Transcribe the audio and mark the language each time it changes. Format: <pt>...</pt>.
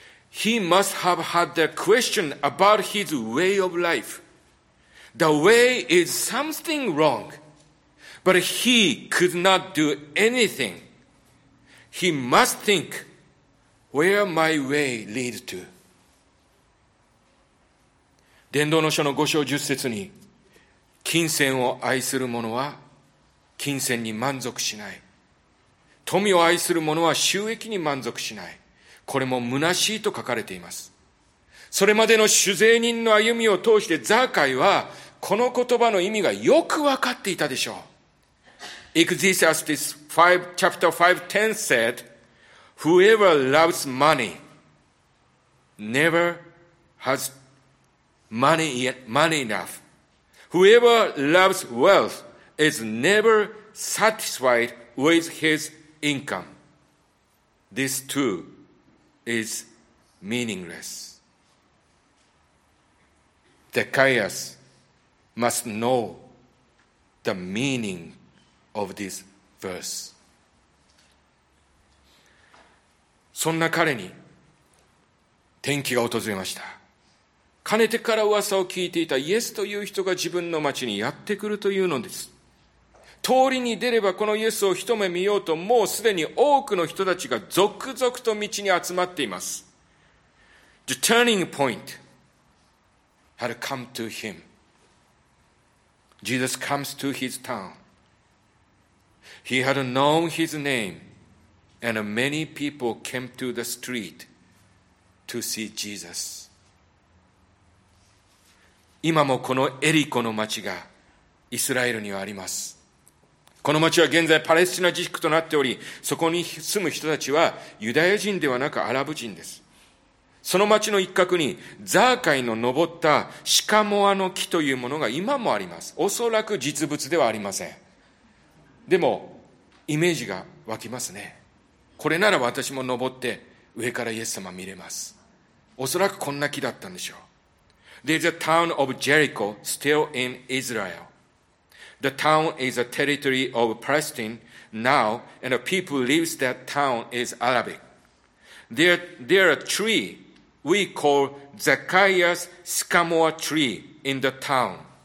<en>He must have had the question about his way of life. The way is something wrong, but he could not do anything. He must think, where my way leads to.</en> <ja>伝道の書の五章十節に金銭を愛する者は金銭に満足しない。富を愛する者は収益に満足しない。これも虚しいと書かれています。それまでの主税人の歩みを通してザーカイはこの言葉の意味がよくわかっていたでしょう。</ja> <en>Ecclesiastes 5, chapter 5, 10 said, Whoever loves money never has money enough. Whoever loves wealth is never satisfied with his income. This too is meaningless. Zacchaeus must know the meaning of this verse.</en> <ja>そんな彼に転機が訪れました。かねてから噂を聞いていたイエスという人が自分の町にやってくるというのです。通りに出ればこのイエスを一目見ようと、もうすでに多くの人たちが続々と道に集まっています。</ja> <en>The turning point had come to him. Jesus comes to his town. He had known his name, and many people came to the street to see Jesus.</en> <ja>今もこのエリコの町がイスラエルにはあります。この町は現在パレスチナ自治区となっており、そこに住む人たちはユダヤ人ではなくアラブ人です。その町の一角にザーカイの登ったシカモアの木というものが今もあります。おそらく実物ではありません。でも、イメージが湧きますね。これなら私も登って上からイエス様見れます。おそらくこんな木だったんでしょう。</ja> <en>There's a town of Jericho still in Israel. The town is a territory of Palestine now, and the people lives that town is Arabic. There a tree we call Zacchaeus Sycamore tree in the town.</en>